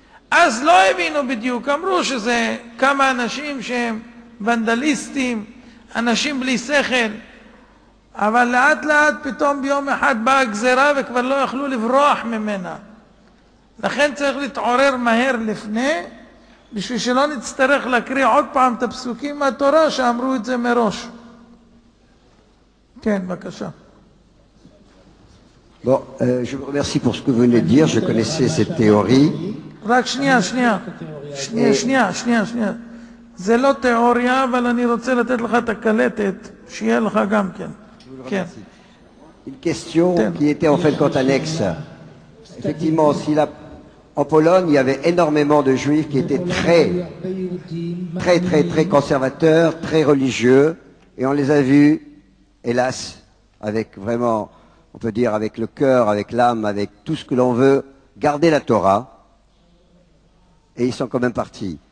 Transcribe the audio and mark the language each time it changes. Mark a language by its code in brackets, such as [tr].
[he] אז לא הבינו בדיוק, אמרו שזה כמה אנשים שהם ונדליסטים, אנשים בלי שכל, אבל לאט לאט פתאום ביום אחד באה גזרה וכבר לא יכלו לברוח ממנה. לכן צריך להתעורר מהר לפני, בשביל שלא נצטרך להקריא עוד פעם את הפסוקים מהתורה שאמרו את זה מראש. כן, בבקשה. [fr] Bon, je vous remercie pour ce que vous venez de dire, je connaissais cette théorie. [he] רק שנייה. זה לא תיאוריה, אבל אני רוצה לתת לך את הקלטת, שיהיה לך גם כן. כן. [fr] Une question qui était en fait quant à l'ex-. Effectivement, si la... en Pologne, il y avait énormément de juifs qui étaient très, très, très, très conservateurs, très religieux, et on les a vus, hélas, avec vraiment, on peut dire, avec le cœur, avec l'âme, avec tout ce que l'on veut, garder la Torah, et ils sont quand même partis.